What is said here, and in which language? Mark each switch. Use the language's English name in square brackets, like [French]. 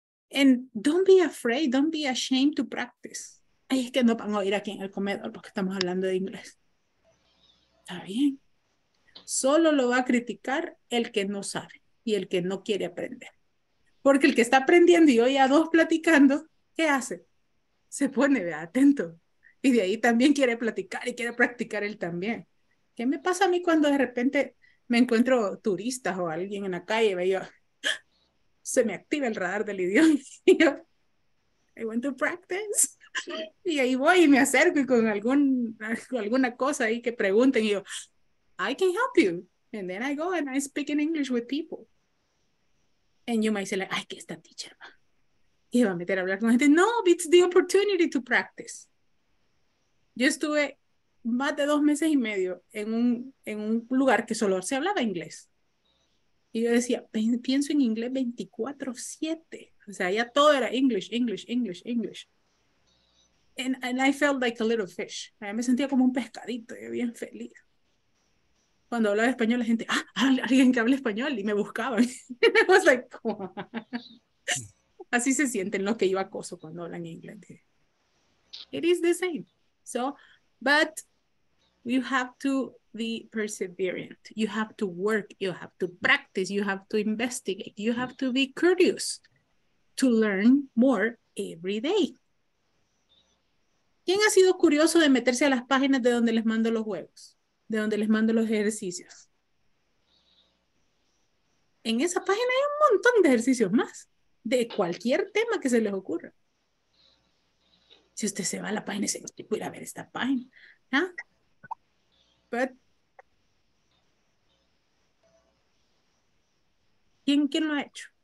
[English] And don't be afraid, don't be ashamed to practice. [Spanish] Ay, es que no van a oír aquí en el comedor porque estamos hablando de inglés. Está bien. solo lo va a criticar el que no sabe y el que no quiere aprender. Porque el que está aprendiendo y hoy a dos platicando, ¿qué hace? Se pone, vea, atento. Y de ahí también quiere platicar y quiere practicar él también. ¿Qué me pasa a mí cuando de repente me encuentro turistas o alguien en la calle y yo, se me activa el radar del idioma? Y yo, [English] I want to practice. [Spanish] Y ahí voy y me acerco y con alguna cosa ahí que pregunten y yo, [English] I can help you. And then I go and I speak in English with people. And you might say, like, [Spanish] ay, ¿qué está teacher? Y va a meter a hablar con gente. No, [English] it's the opportunity to practice. [Spanish] Yo estuve más de 2 meses y medio en un lugar que solo se hablaba inglés. Y yo decía, pienso en inglés 24/7. O sea, ya todo era [English] English, English, English, English. And I felt like a little fish. [Spanish] Me sentía como un pescadito, yo bien feliz. Cuando hablaba español, la gente, ah, alguien que hable español, y me buscaban. [English] I was like, wow. [Spanish] Así se sienten los que yo acoso cuando hablan inglés. [English] It is the same. So, but you have to be perseverant. You have to work. You have to practice. You have to investigate. You have to be curious to learn more every day. [Spanish] ¿Quién ha sido curioso de meterse a las páginas de donde les mando los juegos? ¿De donde les mando los ejercicios? En esa página hay un montón de ejercicios más, de cualquier tema que se les ocurra. Si usted se va a la página y se puede ir a ver esta página. ¿Ah? But, ¿quién lo ha hecho?